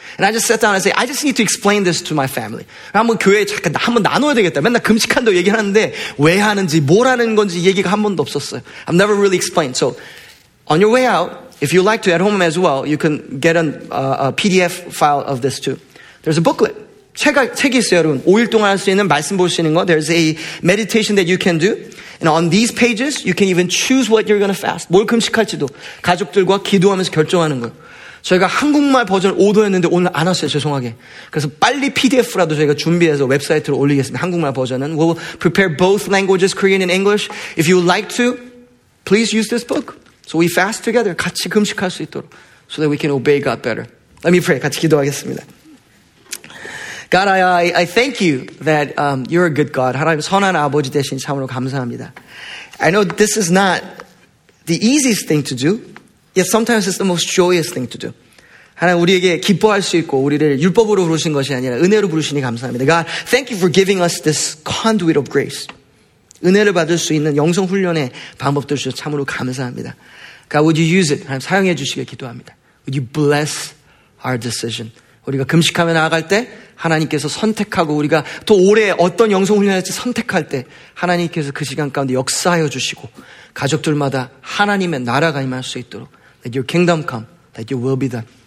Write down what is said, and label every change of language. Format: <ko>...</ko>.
<en>And I just sat down and said, I just need to explain this to my family.</en> <ko>한번 교회에 잠깐 한번 나눠야 되겠다. 맨날 금식한다고 얘기를 하는데 왜 하는지 뭘 하는 건지 얘기가 한 번도 없었어요.</ko> <en>I've never really explained. So on your way out, if you'd like to at home as well, you can get a PDF file of this too. There's a booklet.</en> <ko>책이 있어요, 여러분. 5일 동안 할 수 있는 말씀 보시는 거.</ko> <en>There's a meditation that you can do. And on these pages, you can even choose what you're going to fast.</en> <ko>뭘 금식할지도 가족들과 기도하면서 결정하는 거예요. 저희가 한국말 버전 오더했는데 오늘 안 왔어요, 죄송하게. 그래서 빨리 PDF라도 저희가 준비해서 웹사이트로 올리겠습니다, 한국말 버전은.</ko> <en>We'll prepare both languages, Korean and English. If you would like to, please use this book. So we fast together,</en> <ko>같이 금식할 수 있도록.</ko> <en>So that we can obey God better. Let me pray,</en> <ko>같이 기도하겠습니다.</ko> <en>God, I thank you that you're a good God.</en> <ko>하나님 선한 아버지 되신 참으로 감사합니다.</ko> <en>I know this is not the easiest thing to do, yet sometimes it's the most joyous thing to do.</en> <ko>하나님 우리에게 기뻐할 수 있고 우리를 율법으로 부르신 것이 아니라 은혜로 부르시니 감사합니다.</ko> <en>God, thank you for giving us this conduit of grace.</en> <ko>은혜를 받을 수 있는 영성 훈련의 방법들 주셔서 참으로 감사합니다.</ko> <en>God, would you use it?</en> <ko>하나님 사용해 주시길 기도합니다.</ko> <en>Would you bless our decision?</en> <ko>우리가 금식하며 나아갈 때 하나님께서 선택하고 우리가 또 올해 어떤 영성훈련할지 선택할 때 하나님께서 그 시간 가운데 역사하여 주시고 가족들마다 하나님의 나라가 임할 수 있도록</ko> <en>Let your kingdom come, that your will be done.</en>